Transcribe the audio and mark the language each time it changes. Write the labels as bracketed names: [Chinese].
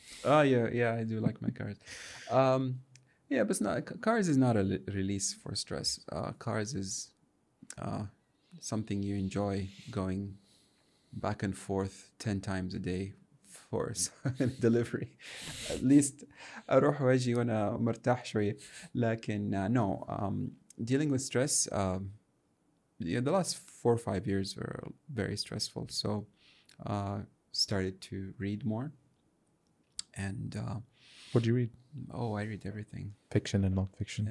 [English] Oh, yeah, I do like my cars. But cars is not a release for stress. Cars is something you enjoy going back and forth 10 times a day for delivery. At least [Arabic] اروح واجي وانا مرتاح شويه. لكن [English] no, dealing with stress, the last 4 or 5 years were very stressful. So started to read more. And what do you read? Oh, I read everything. Fiction and nonfiction.